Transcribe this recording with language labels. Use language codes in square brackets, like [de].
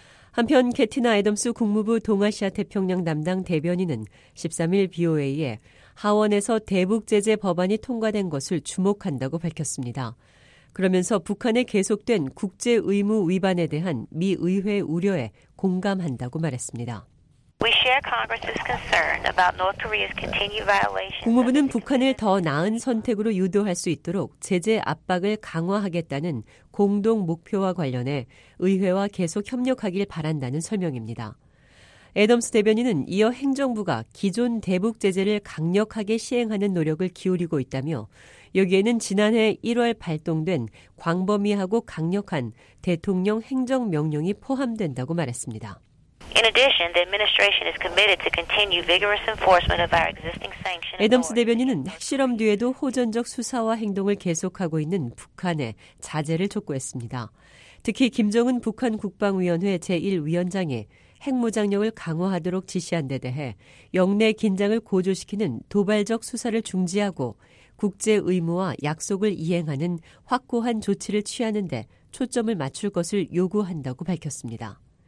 [ko] 한편 캐티나 애덤스 국무부 동아시아 태평양 담당 대변인은 13일 BOA에 하원에서 대북 제재 법안이 통과된 것을 주목한다고 밝혔습니다. 그러면서 북한의 계속된 국제 의무 위반에 대한 미 의회 우려에 공감한다고 말했습니다. [en] We share Congress's concern about North Korea's continued violation. [ko] 국무부는 북한을 더 나은 선택으로 유도할 수 있도록 제재 압박을 강화하겠다는 공동 목표와 관련해 의회와 계속 협력하길 바란다는 설명입니다. 애덤스 대변인은 이어 행정부가 기존 대북 제재를 강력하게 시행하는 노력을 기울이고 있다며 여기에는 지난해 1월 발동된 광범위하고 강력한 대통령 행정명령이 포함된다고 말했습니다. [en] In addition, the administration is committed to continue vigorous enforcement of our existing sanctions. [ko] 애덤스 대변인은 핵실험 뒤에도 호전적 수사와 행동을 계속하고 있는 북한의 자제를 촉구했습니다. 특히 김정은 북한 국방위원회 제1위원장이 핵무장력을 강화하도록 지시한 데 대해 영내 긴장을 고조시키는 도발적 수사를 중지하고 국제 의무와 약속을 이행하는 확고한 조치를 취하는 데 초점을 맞출 것을 요구한다고 밝혔습니다.